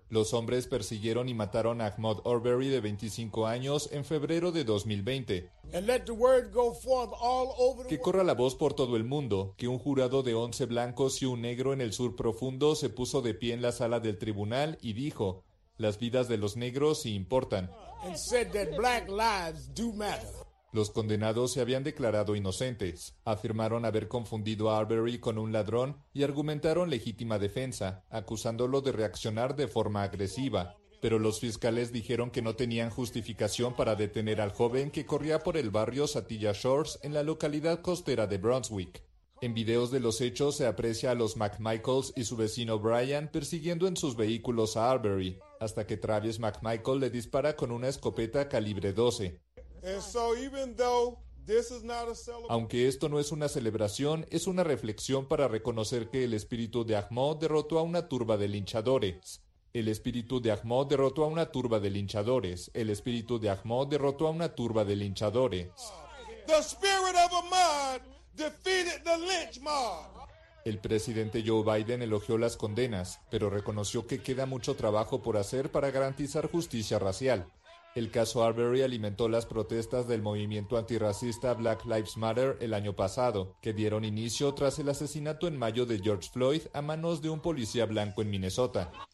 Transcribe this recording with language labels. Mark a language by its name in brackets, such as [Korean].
[Spanish] Los hombres persiguieron y mataron a Ahmaud Arbery, de 25 años, en febrero de 2020. [English] And let the word go forth all over the... [Spanish] Que corra la voz por todo el mundo, que un jurado de 11 blancos y un negro en el sur profundo se puso de pie en la sala del tribunal y dijo, las vidas de los negros sí importan. [English] And said that black lives do matter. [Spanish] Los condenados se habían declarado inocentes, afirmaron haber confundido a Arbery con un ladrón y argumentaron legítima defensa, acusándolo de reaccionar de forma agresiva. Pero los fiscales dijeron que no tenían justificación para detener al joven que corría por el barrio Satilla Shores en la localidad costera de Brunswick. En videos de los hechos se aprecia a los McMichaels y su vecino Brian persiguiendo en sus vehículos a Arbery, hasta que Travis McMichael le dispara con una escopeta calibre 12. Aunque esto no es una celebración, es una reflexión para reconocer que el espíritu de Ahmaud derrotó a una turba de linchadores. El espíritu de Ahmaud derrotó a una turba de linchadores. El espíritu de Ahmaud derrotó a una turba de linchadores. [English] The spirit of Ahmaud defeated the lynch mob. [Spanish] El presidente Joe Biden elogió las condenas, pero reconoció que queda mucho trabajo por hacer para garantizar justicia racial. El caso Arbery alimentó las protestas del movimiento antirracista Black Lives Matter el año pasado, que dieron inicio tras el asesinato en mayo de George Floyd a manos de un policía blanco en Minnesota.